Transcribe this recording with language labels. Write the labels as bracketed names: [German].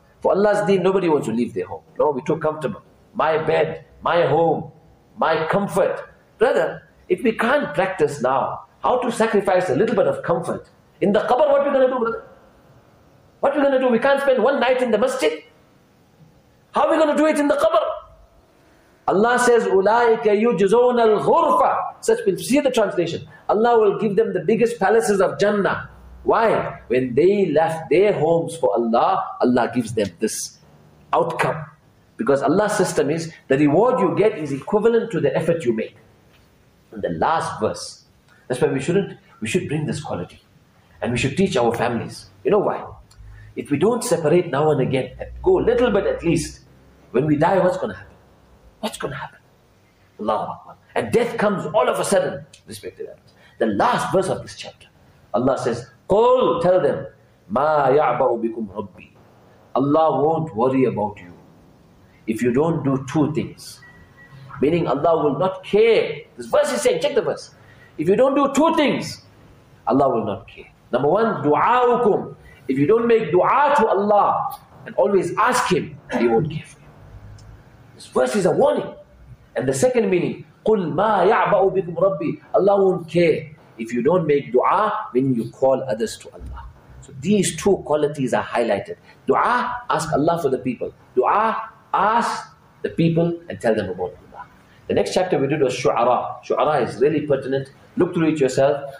[English] For Allah's deen, nobody wants to leave their home. No, we're too comfortable. My bed, my home, my comfort. Brother, if we can't practice now, how to sacrifice a little bit of comfort. In the qabr, what are we going to do, brother? What are we going to do? We can't spend one night in the masjid. How are we going to do it in the qabr? [Arabic] Allah says, أُولَٰئِكَ يُجْزَوْنَ الْغُرْفَةِ. [English] Such people, see the translation. Allah will give them the biggest palaces of Jannah. Why? When they left their homes for Allah, Allah gives them this outcome. Because Allah's system is, the reward you get is equivalent to the effort you make. In the last verse, that's why we should bring this quality. And we should teach our families. You know why? If we don't separate now and again, go a little bit at least, when we die, what's going to happen? What's going to happen? Allahu Akbar. And death comes all of a sudden, respected elders. The last verse of this chapter, Allah says, قُلْ tell them, [Arabic] مَا يَعْبَرُ بِكُمْ رَبِّي. [English] Allah won't worry about you if you don't do two things. Meaning Allah will not care. This verse is saying, check the verse. If you don't do two things, Allah will not care. Number one, دُعَاءُكُمْ. If you don't make dua to Allah and always ask Him, He won't care for you. This verse is a warning. [Arabic] And the second meaning, قُلْ مَا يَعْبَأُ بِكُمْ رَبِّي. [English] Allah won't care if you don't make dua, meaning you call others to Allah. So these two qualities are highlighted. Dua, ask Allah for the people. Dua, ask the people and tell them about Allah. The next chapter we did was Shu'ara. Shu'ara is really pertinent. Look through it yourself.